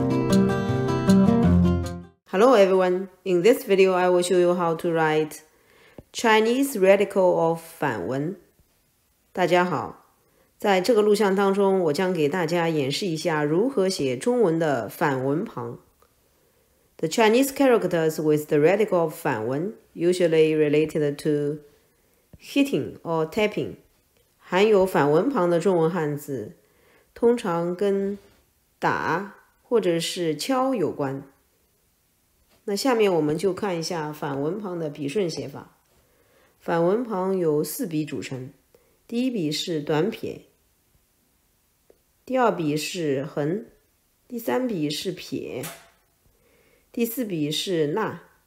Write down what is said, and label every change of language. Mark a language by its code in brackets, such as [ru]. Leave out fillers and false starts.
[en] Hello everyone, in this video, I will show you how to write Chinese radical of 反文。 [zh] 大家好，在这个录像当中，我将给大家演示一下如何写中文的反文旁。 [en] The Chinese characters with the radical of 反文 usually related to hitting or tapping. [zh] 含有反文旁的中文汉字通常跟打或者是敲有关。那下面我们就看一下反文旁的笔顺写法。反文旁由四笔组成，第一笔是短撇，第二笔是横，第三笔是撇，第四笔是捺。